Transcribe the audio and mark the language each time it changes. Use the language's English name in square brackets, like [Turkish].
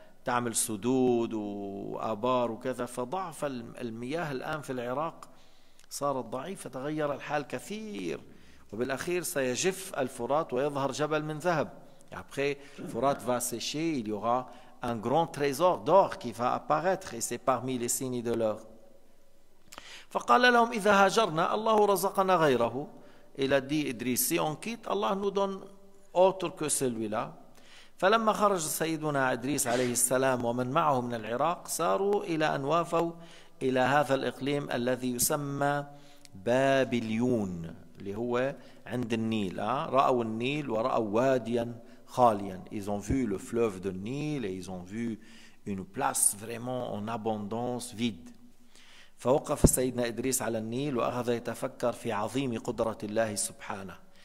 [Arabic] تعمل سدود وآبار وكذا، فضعف المياه الآن في العراق صارت ضعيفة، تغير الحال كثير، وبالأخير سيجف الفرات ويظهر جبل من ذهب. [French] Après, فرات va sécher, il y aura un grand trésor d'or qui va apparaître et c'est parmi les signes de l'heure. [Arabic] فقال لهم إذا هاجرنا الله رزقنا غيره. [French] Il a dit Idriss, si on quitte, Allah nous donne autre que celui-là. [Arabic] فلما خرج سيدنا إدريس عليه السلام ومن معه من العراق ساروا إلى أن وافوا إلى هذا الإقليم الذي يسمى بابليون، اللي هو عند النيل. رأوا النيل ورأوا واديا خاليا. [French] Ils ont vu le fleuve de Nil et ils ont vu une place vraiment en abondance vide. [Arabic] فوقف سيدنا إدريس على النيل وأخذ يتفكر في عظيم قدرة الله سبحانه.